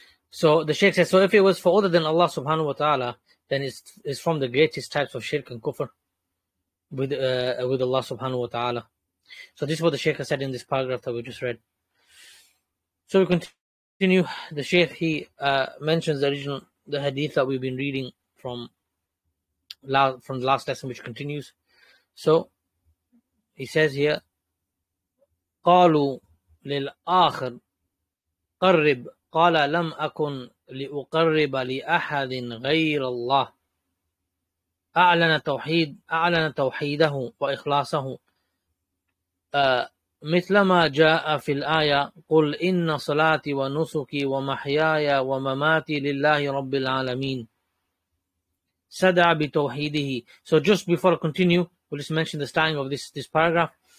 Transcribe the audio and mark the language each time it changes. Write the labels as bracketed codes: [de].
[en] So the Shaykh says, so if it was for other than Allah subhanahu wa ta'ala, then it's from the greatest types of shirk and kufr with Allah subhanahu wa ta'ala. So this is what the Shaykh has said in this paragraph that we just read. So we continue. The Shaykh, he mentions the hadith that we've been reading from the last lesson, which continues. So he says here, [ar] قَالُوا لِلْآخِرِ قَرِّبْ قَالَ لَمْ أَكُنْ لِأُقَرِّبَ لِأَحَدٍ غَيْرَ اللَّهِ أعلن توحيده وإخلاصه مثل ما جاء في الآية قل إن صلاتي ونسكي ومحياي ومماتي لله رب العالمين سدع بتوحيده. [en] So just before I continue, we'll just mention the starting of this paragraph.